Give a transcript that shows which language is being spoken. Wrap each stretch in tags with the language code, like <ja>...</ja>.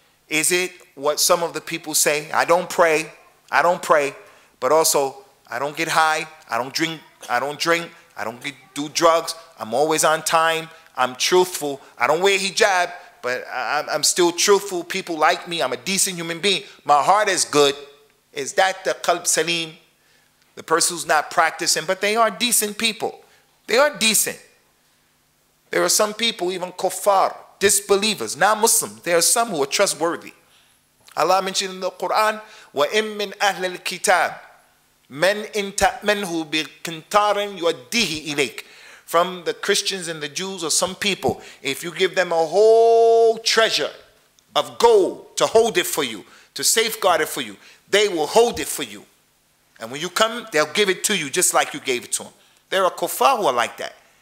<en>Is it what some of the people say? I don't pray, but also I don't get high, I don't drink, I don't do drugs, I'm always on time, I'm truthful, I don't wear hijab, but I'm still truthful, people like me, I'm a decent human being, my heart is good. Is that the qalb saleem? The person who's not practicing, but they are decent people. They are decent. There are some people, even kuffar, disbelievers, non-Muslims, there are some who are trustworthy. Allah mentioned in the Quran,</en> <ar>وَإِن مِّنْ أَهْلِ الْكِتَابِ مَنْ إِن تَأْمَنْهُ بِقِنْتَارٍ يُوَدِّهِ إِلَيْكِ.</ar> <en>From the Christians and the Jews or some people, if you give them a whole treasure of gold to hold it for you, to safeguard it for you, they will hold it for you. And when you come, they'll give it to you just like you gave it to them. There are kuffar who are like that.</en>